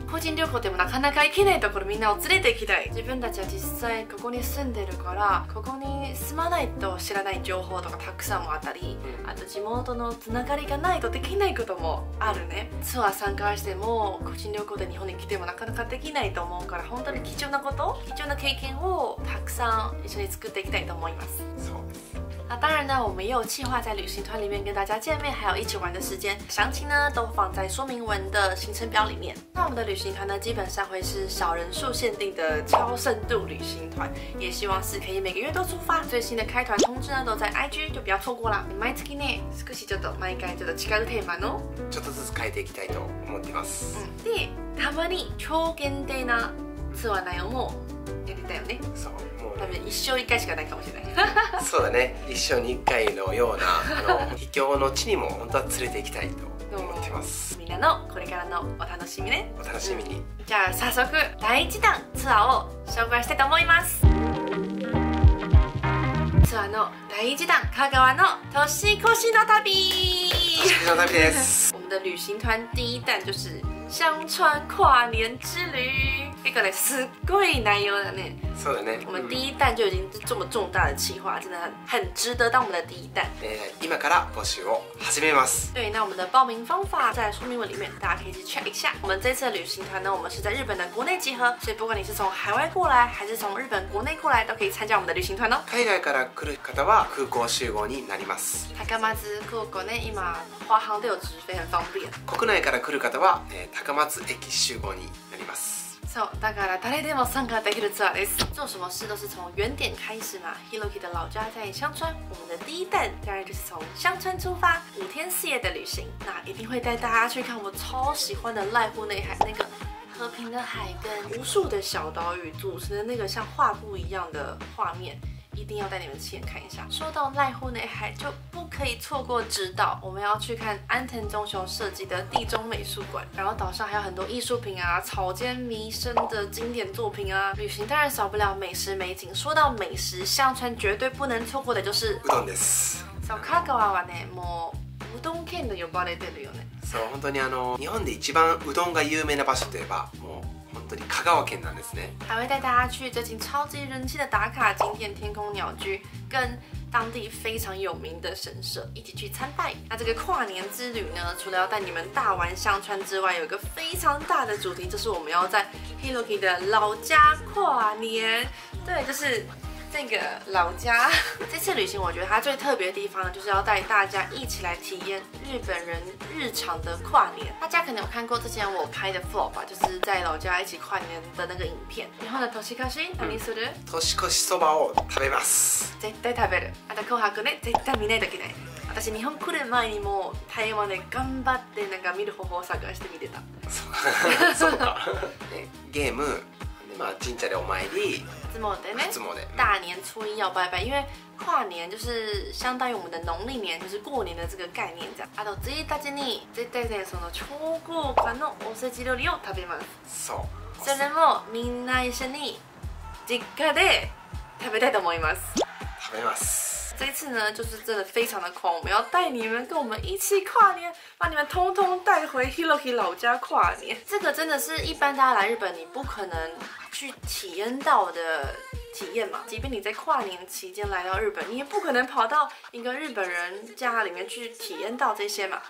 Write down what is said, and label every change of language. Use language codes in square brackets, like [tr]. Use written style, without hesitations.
[ja] 個人旅行でもなかなか行けないところみんなを連れて行きたい。自分たちは実際ここに住んでるから、ここに住まないと知らない情報とかたくさんもあったり、あと地元のつながりがないとできないこともあるね。ツアー参加しても個人旅行で日本に来てもなかなかできないと思うから、本当に貴重なこと、貴重な経験をたくさん一緒に作っていきたいと思います。そう、 [zh] 那当然呢，我们也有计划在旅行团里面跟大家见面，还有一起玩的时间，详情呢都放在说明文的行程表里面。那我们的旅行团呢，基本上会是小人数限定的超深度旅行团，也希望是可以每个月都出发。最新的开团通知呢，都在 IG， 就不要错过了。 [ja] 毎月ね、少しちょっと毎回ちょっと違うテーマの、ちょっとずつ変えていきたいと思ってます。で、たまに超限定なツアー内容もやりたいよね。そう。多分一生一回しかないかもしれない。そうだね、一生に一回のような、秘境の地にも本当は連れて行きたいと思ってます。みんなのこれからのお楽しみね。お楽しみに。じゃあ早速第一弾ツアーを紹介したいと思います。ツアーの第一弾、香川の年越しの旅。年越しの旅です。 [zh] 我们的旅行团第一弾就是香川跨年之旅。一个嘞， [ja] すごい内容だね。そうだね。 [zh] 我们第一弹就已经是这么重大的企划，真的很值得当我们的第一弹。 [ja] 今から募集を始めます。 [zh] 对，那我们的报名方法在说明文里面，大家可以去 check 一下。我们这次的旅行团呢，我们是在日本的国内集合，所以不管你是从海外过来，还是从日本国内过来，都可以参加我们的旅行团哦。 [ja] 海外から来る方は空港集合になります。高松空港ね、 [zh] 今花航都有直飞，很方便。 [ja] 国内から来る方は高松駅集合になります。 [zh] So, 大家来，大家来，我上个带去的车来。做什么事都是从原点开始嘛。 Hiroki 的老家在香川，我们的第一站当然就是从香川出发，五天四夜的旅行。那一定会带大家去看我超喜欢的濑户内海，那个和平的海跟无数的小岛屿组成的那个像画布一样的画面。一定要带你们亲眼看一下。说到濑户内海，就不可以错过直岛，我们要去看安藤忠雄设计的地中美术馆，然后岛上还有很多艺术品啊，草间弥生的经典作品啊。旅行当然少不了美食美景，说到美食，香川绝对不能错过的就是 [ja] うどんです。そう、香川はね、もううどん県と呼ばれてるよね。そう、本当に日本で一番うどんが有名な場所といえば、もう香川県なんですね。 [zh] 还会带大家去最近超级人气的打卡景点天空鸟居，跟当地非常有名的神社一起去参拜。那这个跨年之旅呢，除了要带你们大玩香川之外，有一个非常大的主题，就是我们要在 Hiroki 的老家跨年。对，就是这个老家。这次旅行我觉得它最特别的地方，就是要带大家一起来体验日本人日常的跨年。大家可能有看过之前我拍的 vlog 吧，就是在老家一起跨年的那个影片。 [ja] 日本的年越し何する？年越しそばを食べます。絶対食べる。あと紅白ね、絶対見ないといけない。私日本来る前にも台湾で頑張ってなんか見る方法を探してみてた。そうか。ね、ゲーム。まあ神社でお参り、初詣ね、初詣、 [zh] 大年初一要拜拜，因为跨年就是相当于我们的农历年，就是过年的这个概念 [ja] じゃ。あと次たちに絶対でその超豪華のおせち料理を食べます。そう。それもみんな一緒に実家で食べたいと思います。食べます。 [zh] 这一次呢，就是真的非常的狂，我们要带你们跟我们一起跨年，把你们通通带回 Hiroki 老家跨年。这个真的是一般大家来日本，你不可能去体验到的体验嘛，即便你在跨年期间来到日本，你也不可能跑到一个日本人家里面去体验到这些嘛。